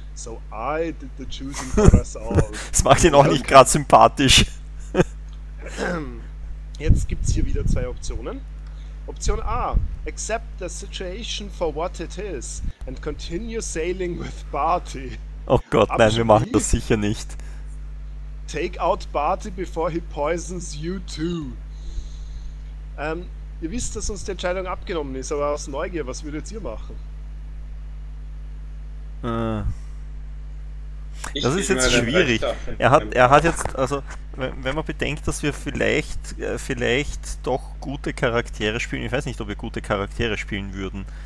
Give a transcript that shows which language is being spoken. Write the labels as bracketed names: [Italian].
[English] So I did the choosing for us all. [German] Das macht ihn auch nicht gerade sympathisch. Jetzt gibt's hier wieder zwei Optionen. [English] Option A, accept the situation for what it is and continue sailing with Barty. [German] Oh Gott, nein, wir machen das sicher nicht. [English] Take out Barty before he poisons you too. [German] Ihr wisst, dass uns die Entscheidung abgenommen ist, aber aus Neugier, was würdet ihr machen? Das ist jetzt schwierig. Er hat jetzt, also wenn man bedenkt, dass wir vielleicht doch gute Charaktere spielen, ich weiß nicht, ob wir gute Charaktere spielen würden.